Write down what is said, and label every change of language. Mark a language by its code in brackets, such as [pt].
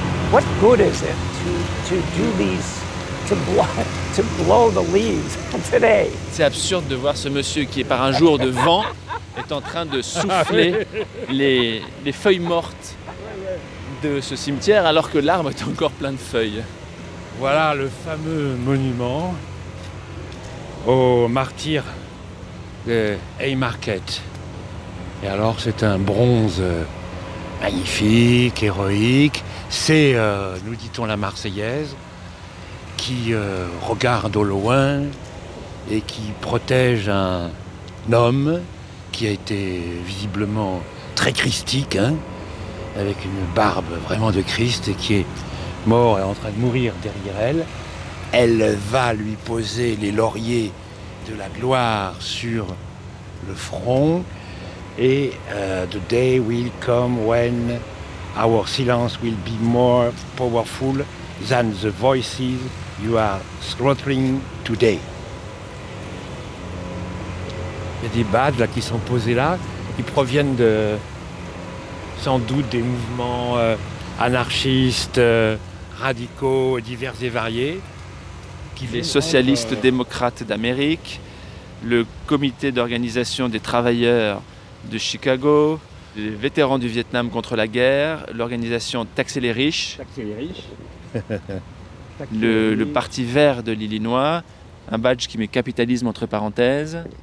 [en] What good is it to do these, to blow the leaves today? [fr] C'est absurde de voir ce monsieur qui, par un jour de vent, est en train de souffler les feuilles mortes de ce cimetière alors que l'arbre est encore plein de feuilles. Voilà le fameux monument aux martyrs de Haymarket. Et alors, c'est un bronze magnifique, héroïque. C'est, nous dit-on, la Marseillaise qui regarde au loin et qui protège un homme qui a été visiblement très christique, hein, avec une barbe vraiment de Christ, et qui est mort et en train de mourir derrière elle. Elle va lui poser les lauriers de la gloire sur le front. [en] Et the day will come when our silence will be more powerful than the voices you are slaughtering today. [fr] Il y a des badges là qui sont posés là. Ils proviennent de, sans doute, des mouvements anarchistes, radicaux, divers et variés. Les socialistes démocrates d'Amérique, le comité d'organisation des travailleurs de Chicago, les vétérans du Vietnam contre la guerre, l'organisation Taxer les riches, le parti vert de l'Illinois, un badge qui met capitalisme entre parenthèses.